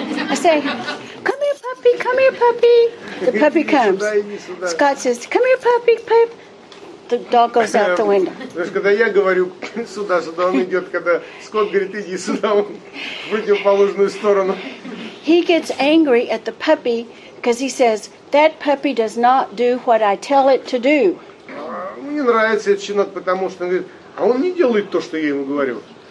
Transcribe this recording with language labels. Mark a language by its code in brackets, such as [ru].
[en] I say, come here, puppy, come here, puppy. The puppy comes. Scott says, come here, puppy, pup. The dog goes out the window. [ru] Знаешь, когда я говорю сюда, сюда, он идет. Когда Скотт говорит, иди сюда, он в противоположную сторону. [en] He gets angry at the puppy because he says, that puppy does not do what I tell it to do. [ru] Мне нравится этот щенок, потому что он говорит, а он не делает то, что я ему говорю.